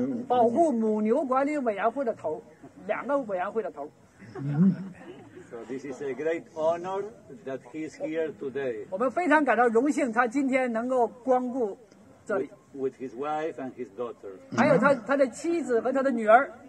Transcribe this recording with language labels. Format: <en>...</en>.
<zh>保护母牛管理委员会的头 两个委员会的头</zh> <en>So this is a great honor that he's here today</en> <zh>我们非常感到荣幸他今天能够光顾这里</zh> <en>with his wife and his daughter</en> <zh>还有他的妻子和他的女儿</zh>